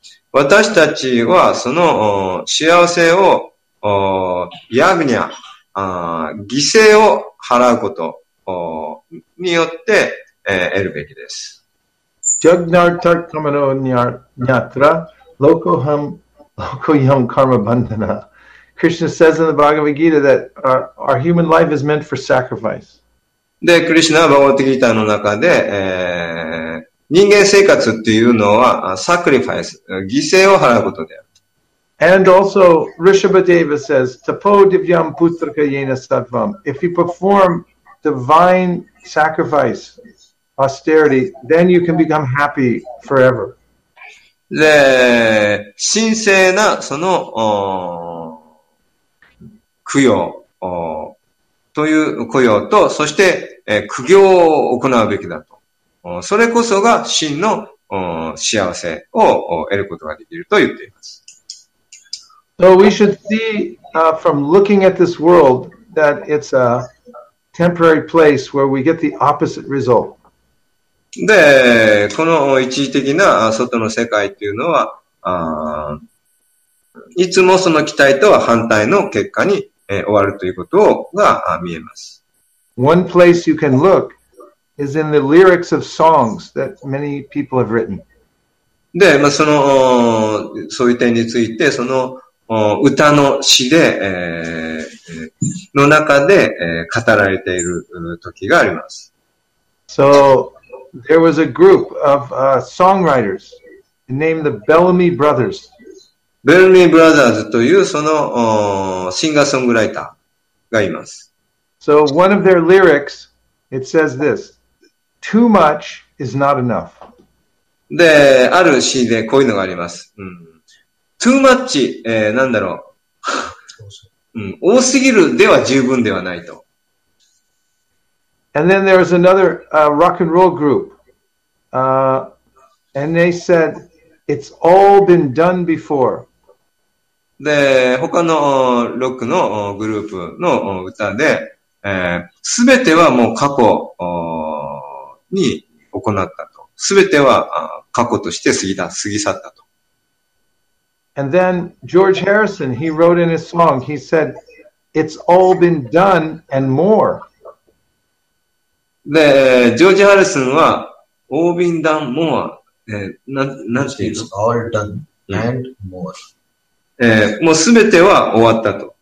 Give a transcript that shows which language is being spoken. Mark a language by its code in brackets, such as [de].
[ja] 私たちはその幸せをヤグニャ、犠牲を払うことによって、得るべきです。ジャグナルタカマノニャニャトラ、ロコハム、ロコヤムカマバンダナ。 [en] Krishna says in the Bhagavad Gita that our human life is meant for sacrifice. [ja] で、クリシナはバガヴァッド・ギーターの中で、人間生活っていうのは、サクリファイス、犠牲を払うことである。 [en] And also, Rishabhadeva says, [sa] Tapo Divyam Putraka Yena Sattvam. [en] If you perform divine sacrifice, austerity, then you can become happy forever. [ja] で、神聖な、その、供養、という供養と、そして、苦行を行うべきだと。それこそが真の、幸せを得ることができると言っています。 [en] So we should see from looking at this world that it's a temporary place where we get the opposite result. [ja] で、この一時的な外の世界っていうのは、いつもその期待とは反対の結果に終わるということが見えます。 [en] One place you can look is in the lyrics of songs that many people have written. [ja] で、まあ、その、そういう点について、その、歌の詩で、の中で、語られている時があります。 [en] So, there was a group of songwriters named the Bellamy Brothers. [ja] Bellamy Brothers というその、シンガーソングライターがいます。 [en] So, one of their lyrics, it says this, Too much is not enough. [ja] で、ある詩でこういうのがあります。うん、 [en] Too much, [ja] 何だろう、多すぎるでは十分ではないと。 [en] And then there was another rock and roll group. And they said, it's all been done before. [ja] で、他のロックのグループの歌で、すべてはもう過去に行ったと。すべては過去として過ぎ去ったと。 [en] And then George Harrison, he wrote in his song, he said, it's all been done and more. [ja] で、ジョージ・ハリスンは、オービンダン・モア、なんていうの [en] ?All done and more、 [ja] もうすべては終わったと。